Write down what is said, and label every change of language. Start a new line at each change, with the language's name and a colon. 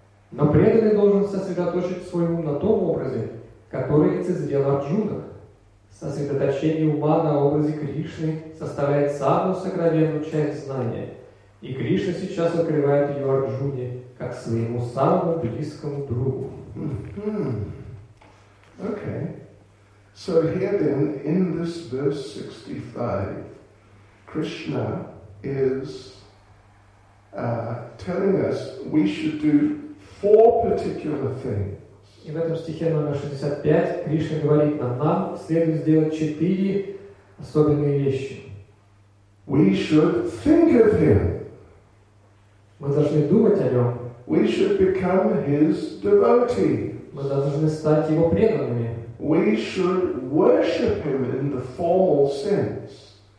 Russian: Но преданный должен сосредоточить свой ум на том образе, который лицезрел Арджуна. Сосредоточение ума на образе Кришны составляет самую сокровенную часть знания, и Кришна сейчас открывает ее Арджуне как своему самому близкому другу.
English: Okay. So here then, in this verse 65, Krishna is telling us we should do four particular things.
Russian: И в этом стихе номер 65 Кришна говорит нам следует сделать четыре особенные вещи.
English: We should think of him.
Russian: Мы должны думать о нем.
English: We should become his devotee.
Russian: Мы должны стать его преданными.
English: We should worship him in the formal sense.